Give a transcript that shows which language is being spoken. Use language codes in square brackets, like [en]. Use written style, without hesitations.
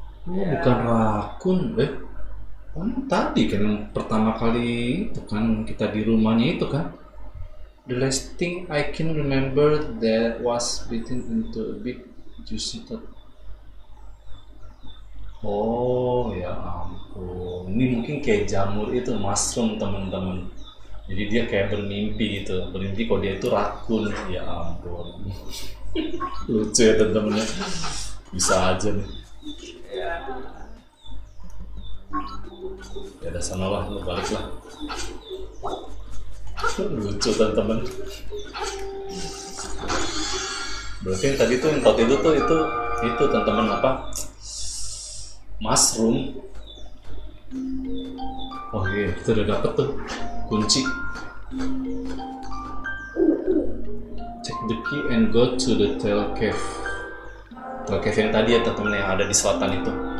[id] Oh, bukan rakun, kan tadi kan pertama kali itu kan kita di rumahnya itu kan. [en] The last thing I can remember that was bitten into a big juicy toad. [id] Oh ya ampun, ini mungkin kayak jamur itu mushroom teman-teman. Jadi dia kayak bermimpi gitu, berarti kalau dia itu rakun. Ya ampun, lucu ya teman-temannya, bisa aja nih. Ya udah sana lah, lu balik lah. Lucu teman-teman. Berarti yang tadi tuh yang tot itu tuh itu teman-teman apa? Mushroom. Oh iya, itu udah dapet tuh kunci. [en] Take the key and go to the tail cave. [id] Tail cave yang tadi ya teman-teman yang ada di selatan itu.